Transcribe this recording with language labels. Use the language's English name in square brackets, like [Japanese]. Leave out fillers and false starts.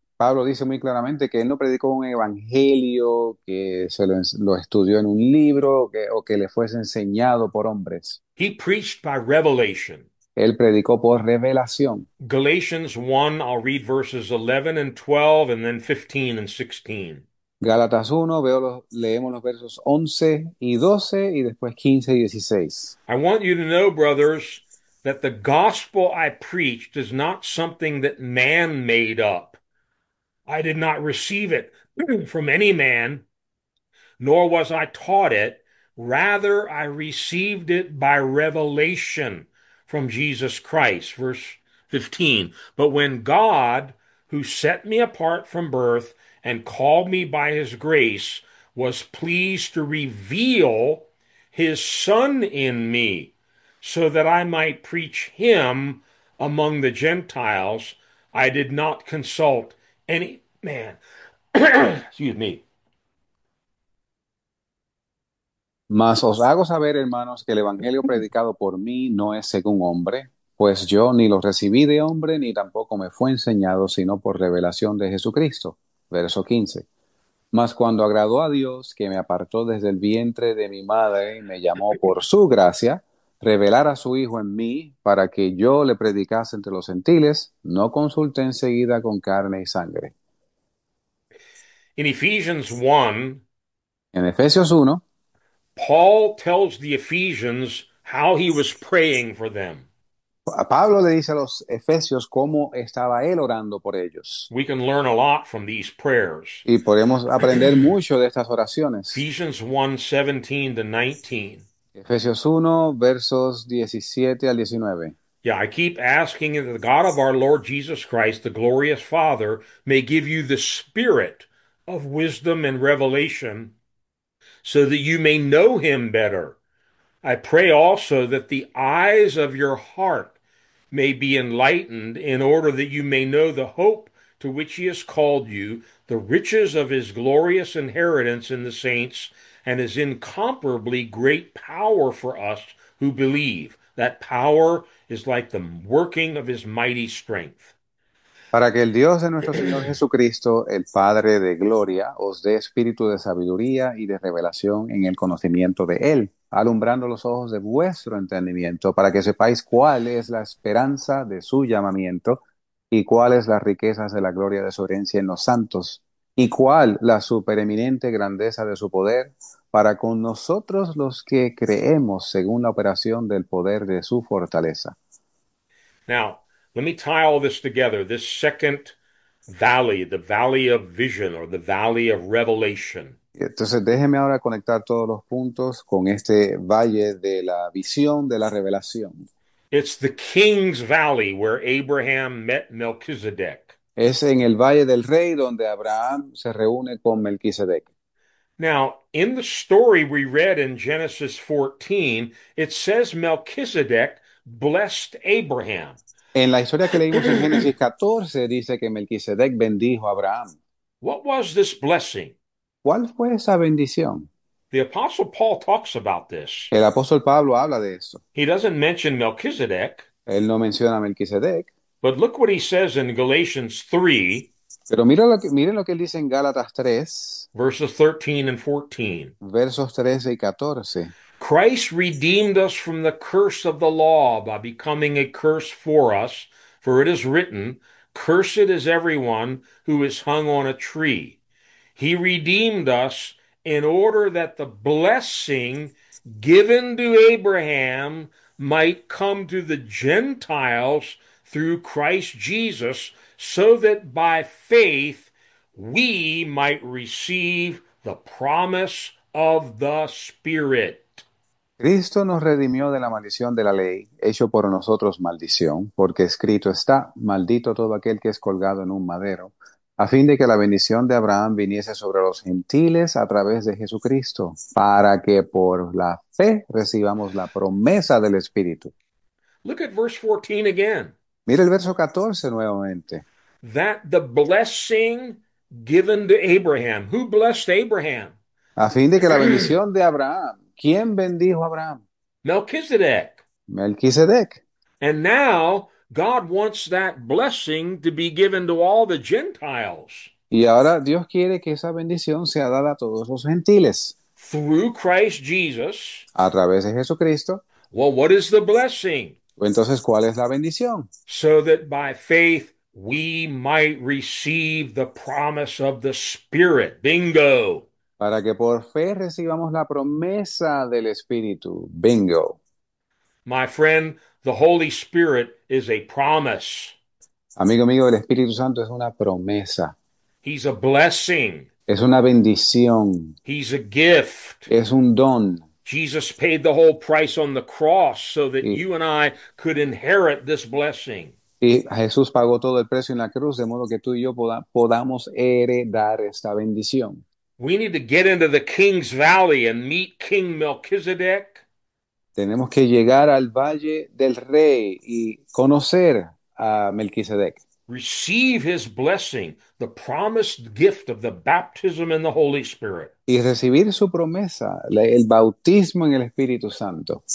[Spanish] Pablo dice muy claramente que él no predicó un evangelio, que se lo estudió en un libro o que le fuese enseñado por hombres. [English] He preached by revelation. [Spanish] Él predicó por revelación. [English] Galatians 1, I'll read verses 11 and 12 and then 15 and 16. [Spanish] Gálatas 1, leemos los versos 11 y 12 y después 15 y 16. [English] I want you to know, brothers, that the gospel I preached is not something that man made up. I did not receive it from any man, nor was I taught it. Rather, I received it by revelation from Jesus Christ. Verse 15. But when God, who set me apart from birth and called me by his grace, was pleased to reveal His son in me, so that I might preach him among the Gentiles, I did not consult any man. Excuse me. [Spanish] Mas os hago saber, hermanos, que el evangelio predicado por mí no es según hombre, pues yo ni lo recibí de hombre, ni tampoco me fue enseñado, sino por revelación de Jesucristo. Verso 15. Mas cuando agradó a Dios, que me apartó desde el vientre de mi madre y me llamó por su gracia, revelar a su Hijo en mí para que yo le predicase entre los gentiles, no consulté enseguida con carne y sangre. [English] In Ephesians 1, [Spanish] En Efesios 1. [English] Paul tells the Ephesians how he was praying for them. [Spanish] A Pablo le dice a los Efesios cómo estaba él orando por ellos. [English] We can learn a lot from these prayers. [Spanish] Y podemos aprender mucho de estas oraciones. [English] Ephesians 1, 17 to 19. [Spanish] Efesios 1, versos 17 al 19. [English] Yeah, I keep asking that the God of our Lord Jesus Christ, the glorious Father, may give you the spirit of wisdom and revelation so that you may know him better. I pray also that the eyes of your heart may be enlightened in order that you may know the hope to which he has called you, the riches of his glorious inheritance in the saints, and his incomparably great power for us who believe. That power is like the working of his mighty strength. [Spanish] Para que el Dios de nuestro Señor Jesucristo, el Padre de gloria, os dé espíritu de sabiduría y de revelación en el conocimiento de Él, alumbrando los ojos de vuestro entendimiento, para que sepáis cuál es la esperanza de su llamamiento y cuáles las riquezas de la gloria de su herencia en los santos, y cuál la supereminente grandeza de su poder para con nosotros los que creemos según la operación del poder de su fortaleza. [English] Now, let me tie all this together. This second valley, the valley of vision or the valley of revelation. [Spanish] Entonces, déjeme ahora conectar todos los puntos con este valle de la visión de la revelación. [English] It's the king's valley where Abraham met Melchizedek. [Spanish] Es en el valle del rey donde Abraham se reúne con Melquisedec. [English] Now, in the story we read in Genesis 14, it says Melchizedek blessed Abraham. [Spanish] En la historia que leímos en Génesis 14, dice que Melquisedec bendijo a Abraham. [English] What was this blessing? [Spanish] ¿Cuál fue esa bendición? [English] The Apostle Paul talks about this. [Spanish] El apóstol Pablo habla de eso. [English] He doesn't mention Melchizedek, [Spanish] Él no menciona a Melquisedec. [English] but look what he says in Galatians 3, [Spanish] Pero miren lo que él dice en Gálatas 3, [English] verses 13 and 14. [Spanish] versos 13 y 14. [English] Christ redeemed us from the curse of the law by becoming a curse for us, for it is written, Cursed is everyone who is hung on a tree. He redeemed us in order that the blessing given to Abraham might come to the Gentiles through Christ Jesus, so that by faith we might receive the promise of the Spirit. [Spanish] Cristo nos redimió de la maldición de la ley, hecho por nosotros maldición, porque escrito está, maldito todo aquel que es colgado en un madero, a fin de que la bendición de Abraham viniese sobre los gentiles a través de Jesucristo, para que por la fe recibamos la promesa del Espíritu. [English] Look at verse 14 again. [Spanish] Mira el verso 14 nuevamente. [English] That the blessing given to Abraham. Who blessed Abraham? [Spanish] A fin de que la bendición de Abraham. ¿Quién bendijo a Abraham? [English] Melchizedek. [Spanish] Melquisedec. [English] And now God wants that blessing to be given to all the Gentiles. [Spanish] Y ahora Dios quiere que esa bendición sea dada a todos los gentiles [English] Through Christ Jesus. [Spanish] a través de Jesucristo. [English] Well, what is the blessing? [Spanish] Entonces, ¿cuál es la bendición? [English] So that by faith we might receive the promise of the Spirit. Bingo. [Spanish] Para que por fe recibamos la promesa del Espíritu. [English] Bingo. My friend, the Holy Spirit is a promise. [Spanish] Amigo mío, el Espíritu Santo es una promesa. [English] He's a blessing. [Spanish] Es una bendición. [English] He's a gift. [Spanish] Es un don. [English] Jesus paid the whole price on the cross so that [Spanish] Y [English] you and I could inherit this blessing. [Spanish] Jesús pagó todo el precio en la cruz, de modo que tú y yo podamos heredar esta bendición. [English] We need to get into the King's Valley and meet King Melchizedek. [Spanish] Tenemos que llegar al Valle del Rey y conocer a Melquisedec. [English] Receive his blessing, the promised gift of the baptism in the Holy Spirit. [Spanish] Y recibir su promesa, el bautismo en el Espíritu Santo.